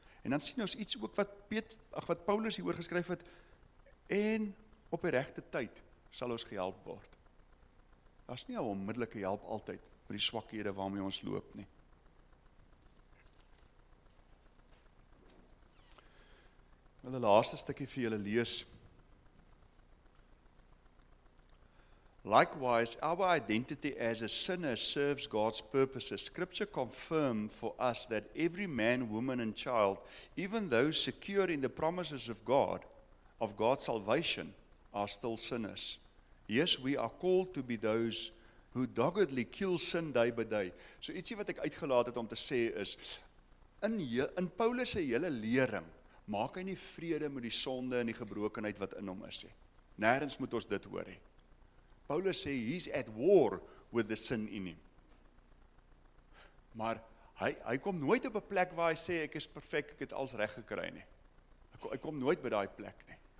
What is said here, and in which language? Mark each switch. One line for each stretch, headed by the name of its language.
Afrikaans: En dan sien ons iets ook wat Paulus hier oorgeskryf het, en op die regte tyd sal ons gehelp word. Daar is nie al onmiddellike help altyd met die swakhede waarmee ons loop nie. Ek wil die laaste stukkie vir julle lees.
English: Likewise, our identity as a sinner serves God's purposes. Scripture confirms for us that every man, woman and child, even those secure in the promises of God, of God's salvation, are still sinners. Yes, we are called to be those who doggedly kill sin day by day.
Afrikaans: So ietsie wat ek uitgelaat het om te sê is, in Paulus se hele lering, maak hy nie vrede met die sonde en die gebrokenheid wat in hom is. Nêrens moet ons dit hoor. Paulus sê,
English: he's at war with the sin in him.
Afrikaans: Maar hy kom nooit op 'n plek waar hy sê, ek is perfect, ek het alles reg gekry nie. Hy kom nooit by die plek nie.